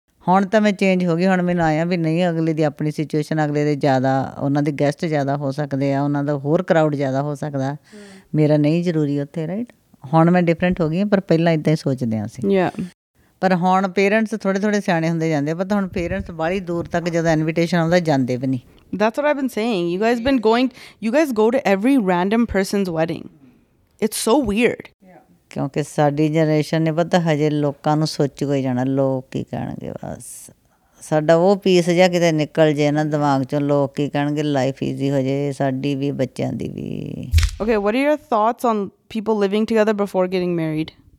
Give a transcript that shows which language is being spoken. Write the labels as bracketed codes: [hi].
[pa] ਹੁਣ ਤਾਂ ਮੈਂ ਚੇਂਜ ਹੋ ਗਈ, ਹੁਣ ਮੈਨੂੰ ਆਇਆ ਵੀ ਨਹੀਂ, ਅਗਲੇ ਦੀ ਆਪਣੀ ਸਿਚੁਏਸ਼ਨ, ਅਗਲੇ ਦੇ ਜ਼ਿਆਦਾ ਉਹਨਾਂ ਦੇ ਗੈਸਟ ਜ਼ਿਆਦਾ ਹੋ ਸਕਦੇ ਆ, ਉਹਨਾਂ ਦਾ ਹੋਰ ਕਰਾਊਡ ਜ਼ਿਆਦਾ ਹੋ ਸਕਦਾ, ਮੇਰਾ ਨਹੀਂ ਜ਼ਰੂਰੀ ਉੱਥੇ, ਰਾਈਟ। ਹੁਣ ਮੈਂ ਡਿਫਰੈਂਟ ਹੋ ਗਈ, ਪਰ ਪਹਿਲਾਂ ਇੱਦਾਂ ਹੀ ਸੋਚਦੇ ਹਾਂ ਅਸੀਂ। ਪਰ ਹੁਣ ਪੇਰੈਂਟਸ ਥੋੜ੍ਹੇ ਥੋੜ੍ਹੇ ਸਿਆਣੇ ਹੁੰਦੇ ਜਾਂਦੇ, ਪਰ ਹੁਣ ਪੇਰੈਂਟਸ ਬਾਹਲੀ ਦੂਰ ਤੱਕ ਜਦੋਂ ਇਨਵੀਟੇਸ਼ਨ ਆਉਂਦਾ ਜਾਂਦੇ ਵੀ ਨਹੀਂ। [en] That's what I've been saying. You guys been going, you guys go to every random person's wedding. It's so weird. [pa] ਕਿਉਂਕਿ ਸਾਡੀ ਜਨਰੇਸ਼ਨ ਨੇ ਪਤਾ ਹਜੇ ਲੋਕਾਂ ਨੂੰ ਸੋਚੂਗਾ ਜਾਣਾ, ਲੋਕ ਕੀ ਕਹਿਣਗੇ, ਬਸ ਸਾਡਾ ਉਹ ਪੀਸ ਜਿਹਾ ਕਿਤੇ ਨਿਕਲ ਜੇ ਨਾ ਦਿਮਾਗ 'ਚੋਂ, ਲੋਕ ਕੀ ਕਹਿਣਗੇ, ਲਾਈਫ ਈਜ਼ੀ ਹੋ ਜੇ ਸਾਡੀ ਵੀ ਬੱਚਿਆਂ ਦੀ ਵੀ। [en] Okay, what are your thoughts on people living together before getting married?